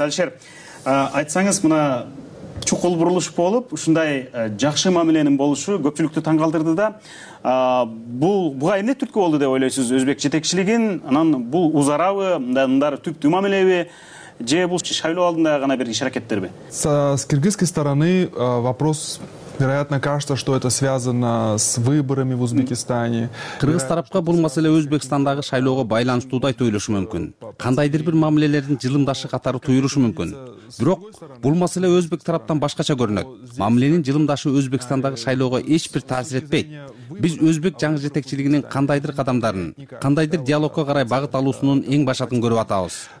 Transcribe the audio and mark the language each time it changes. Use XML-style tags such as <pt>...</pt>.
<ky>Алишер, айтсаңыз, мына чукул бурулуш болуп, ушундай жакшы мамиленин болушу көпчүлүктү таң калтырды да. Буга эмне түрткү болду деп ойлойсуз өзбек жетекчилигин? Анан бул узарабы, мындай түптүү мамилеби, же бул шайлоо алдындагы гана бир иш аракеттерби?</ky> <ru>С кыргызской стороны вопрос, вероятно, кажется, что это связано с выборами в Узбекистане.</ru> <ky>Кыргыз тарапка бул маселе Өзбекстандагы шайлоого байланыштуу деп ойлошу мүмкүн. Кандайдыр бир мамилелердин жылымдашы катары туюрушу мүмкүн. Бирок бул маселе өзбек тараптан башкача көрүнөт. Мамиленин жылымдашы Өзбекстандагы шайлоого эч бир таасир этпейт. Биз өзбек жаңы жетекчилигинин кандайдыр кадамдарын, кандайдыр диалогко карай багыт алуусунун эң башатын көрүп атабыз.</ky>